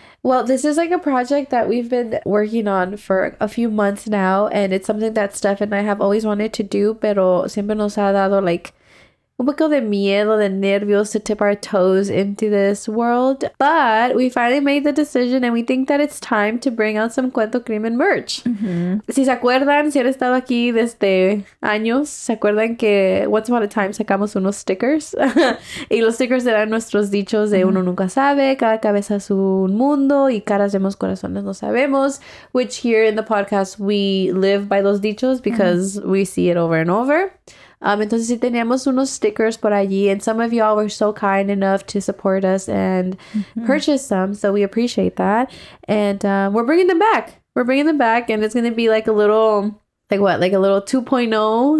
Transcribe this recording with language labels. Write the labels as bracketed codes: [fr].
[en] Well, this is like a project that we've been working on for a few months now. And it's something that Steph and I have always wanted to do. [es] Pero siempre nos ha dado like un poco de miedo, de nervios [en] to tip our toes into this world. But we finally made the decision and we think that it's time to bring out some Cuento Crimen merch. Mm-hmm. [es] Si se acuerdan, si han estado aquí desde años, se acuerdan que [en] once upon a time [es] sacamos unos stickers. Y los stickers eran nuestros dichos de uno nunca sabe, cada cabeza es un mundo y caras vemos corazones no sabemos. [en] Which here in the podcast, we live by those dichos because we see it over and over. [es] Entonces sí teníamos unos stickers por allí, [en] and some of y'all were so kind enough to support us and purchase some, so we appreciate that. And we're bringing them back. We're bringing them back, and it's gonna be like a little, like what, like a little 2.0?